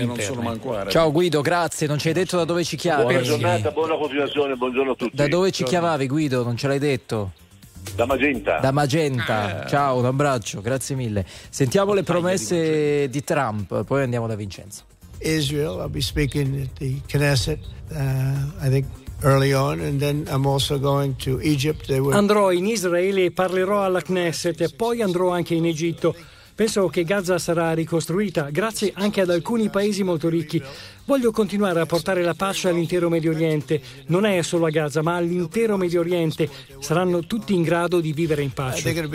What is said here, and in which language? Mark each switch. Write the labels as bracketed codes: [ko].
[it] e interne. Non sono mancare. Ciao Guido, grazie, non ci hai detto da dove ci chiami. Buona giornata, buona continuazione, buongiorno a tutti. Da dove ci chiamavi, Guido? Non ce l'hai detto? Da Magenta. Ciao, un abbraccio, grazie mille. Sentiamo le promesse di Trump, poi andiamo da Vincenzo. [en] Israel, I'll be speaking at the Knesset, I think early on, and then I'm also going to Egypt. [it] Andrò in Israele e parlerò alla Knesset e poi andrò anche in Egitto. Penso che Gaza sarà ricostruita grazie anche ad alcuni paesi molto ricchi. Voglio continuare a portare la pace all'intero Medio Oriente. Non è solo a Gaza, ma all'intero Medio Oriente. Saranno tutti in grado di vivere in pace.